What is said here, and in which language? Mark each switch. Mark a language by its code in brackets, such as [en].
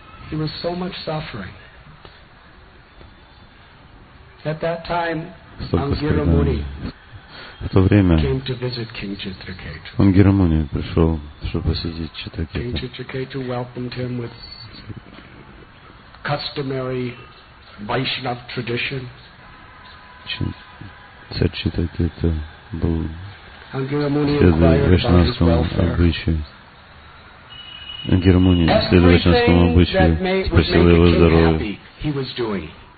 [en] He was so much suffering. At that time, Angira Muni. [ru] В то время [en] came to visit King Chitraketu. [ru] Он Гирамуни пришел, чтобы посетить Читракету. [en] King Chitraketu welcomed him with customary Vaishnav tradition. [ru] Царь Читракету был следовал вайшнавскому обычаю. Гирамуни следовал вайшнавскому обычаю, спросил его здоровье.